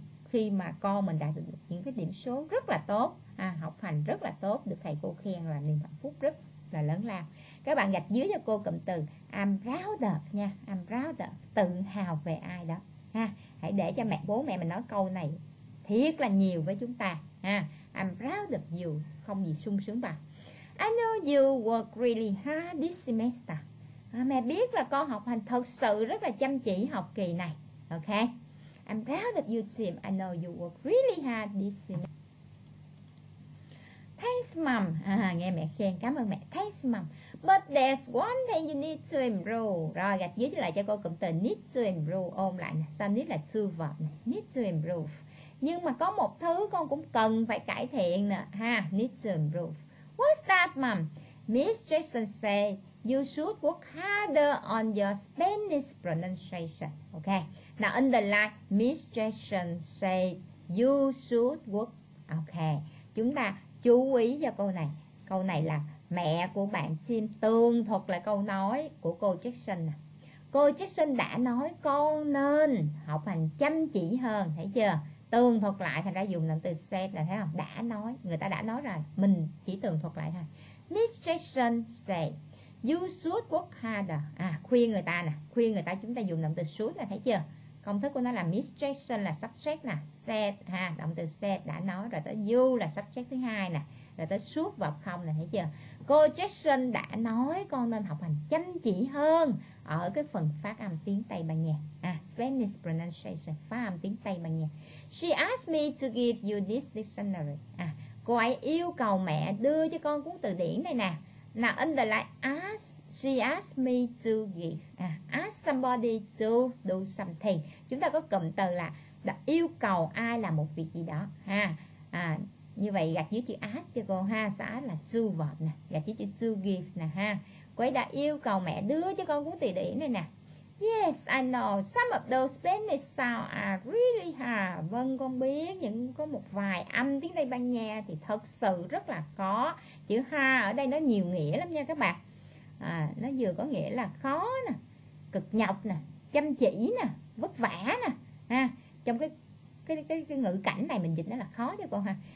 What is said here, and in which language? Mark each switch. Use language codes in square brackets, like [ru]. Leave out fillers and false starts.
[vi] Khi mà con mình đạt được những cái điểm số rất là tốt, học hành rất là tốt, được thầy cô khen là niềm hạnh phúc rất là lớn lao. Các bạn gạch dưới cho cô cụm từ [en] I'm proud of [vi] nha. I'm proud of, tự hào về ai đó ha. Hãy để cho mẹ bố mẹ mình nói câu này thiệt là nhiều với chúng ta ha. [en] I'm proud of you, [vi] không gì sung sướng bằng. [en] I know you work really hard this semester. [vi] Mẹ biết là con học hành thật sự rất là chăm chỉ học kỳ này. [en] Ok, I'm proud of you, Tim. I know you work really hard this semester. Thanks, mom. [vi] Nghe mẹ khen, cảm ơn mẹ. [en] Thanks, mom. But there's one thing you need to improve. [vi] Rồi, gạch dưới lại cho cô cụm từ [en] need to improve. [vi] Ôm lại nè. Sao need là to verb nè. Need to improve. Nhưng mà có một thứ con cũng cần phải cải thiện nè. [en] Ha, need to improve. What's that, mom? Miss Jackson say you should work harder on your Spanish pronunciation. Okay. Now, underline, Miss Jackson say you should work. Okay. [vi] Chúng ta chú ý cho câu này. Câu này là mẹ của bạn Tim tường thuật lại câu nói của cô Jackson. Cô Jackson đã nói con nên học hành chăm chỉ hơn, thấy chưa? Tường thuật lại, thành ra dùng động từ said là thấy không? Đã nói, người ta đã nói rồi, mình chỉ tường thuật lại thôi. [en] Miss Jackson say you should work harder. [vi] À, khuyên người ta nè, khuyên người ta chúng ta dùng động từ should là thấy chưa? Công thức của nó là Miss Jackson là subject nè, said ha, động từ said đã nói, rồi tới you là subject thứ hai nè, rồi tới should vào không nè, thấy chưa? Cô Jackson đã nói con nên học hành chăm chỉ hơn ở cái phần phát âm tiếng Tây Ban Nha. À, [en] Spanish pronunciation, [vi] phát âm tiếng Tây Ban Nha. [en] She asked me to give you this dictionary. [vi] À, cô ấy yêu cầu mẹ đưa cho con cuốn từ điển này nè. [en] Now, underline, she asked me to give. [vi] À, [en] ask somebody to do something. [vi] Chúng ta có cụm từ là đã yêu cầu ai làm một việc gì đó. Ha. À, như vậy gạch dưới chữ ask cho cô ha. Sẽ ask là to verb nè. Gạch dưới chữ [en] to give [vi] nè ha. Cô ấy đã yêu cầu mẹ đưa cho con cuốn từ điển này nè. [en] Yes, I know. Some of those Spanish sounds are really hard. [vi] Vâng, con biết những có một vài âm tiếng Tây Ban Nha thì thật sự rất là khó. Chữ hard ở đây nó nhiều nghĩa lắm nha các bạn. À, nó vừa có nghĩa là khó nè, cực nhọc nè, chăm chỉ nè, vất vả nè. Ha, trong cái ngữ cảnh này mình dịch nó là khó cho con ha.